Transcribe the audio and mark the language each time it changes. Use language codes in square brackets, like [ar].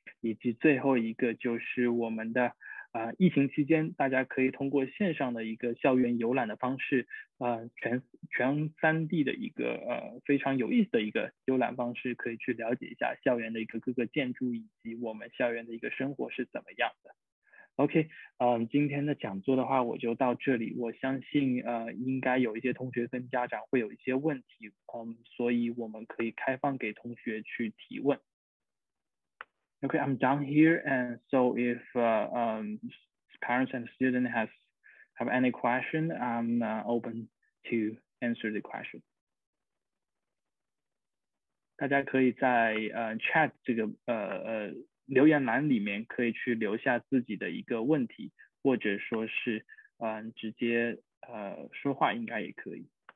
[zh] 以及最后一个就是我们的疫情期间大家可以通过线上的一个校园游览的方式，全三地的一个非常有意思的一个游览方式，可以去了解一下校园的一个各个建筑以及我们校园的一个生活是怎么样的。 OK， 今天的讲座的话我就到这里，我相信应该有一些同学跟家长会有一些问题，所以我们可以开放给同学去提问。 [en] Okay, I'm done here. And so if parents and students have any question, I'm open to answer the question. [zh] 大家可以在chat 这个留言栏里面可以去留下自己的一个问题，或者说是直接说话应该也可以。